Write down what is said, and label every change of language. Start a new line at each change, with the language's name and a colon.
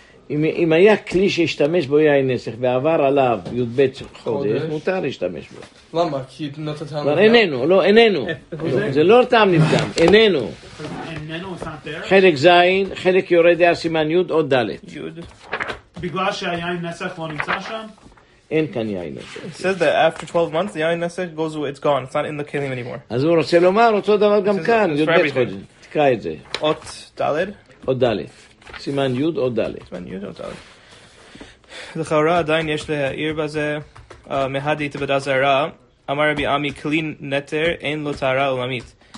Hebrew: אם היה כלי שהשתמש בו יין נסך ועבר עליו י"ב חודש, מותר להשתמש בו. למה? כי נתת טעם לפגם. איננו, לא, איננו. זה לא טעם לפגם, איננו. איננו, זה נתר? חלק זין, חלק יורד דעה סימן י' או ד'. י'. בגלל שהיין נסך לא נמצא שם? אין כאן יין נסך.
English: It says that after 12 months, the yain nesach goes away, it's gone. It's not in the kelim anymore.
Hebrew: אז הוא רוצה לומר אותו דבר גם כאן, י"ב חודש. תקרא את זה. אות דלת? אות דלת. סימן י' או דלת? סימן י' או דלת. לכאורה עדיין יש להעיר בזה, מהדי תבדה זרה, אמר רבי עמי, כלי נטר אין לו טהרה עולמית.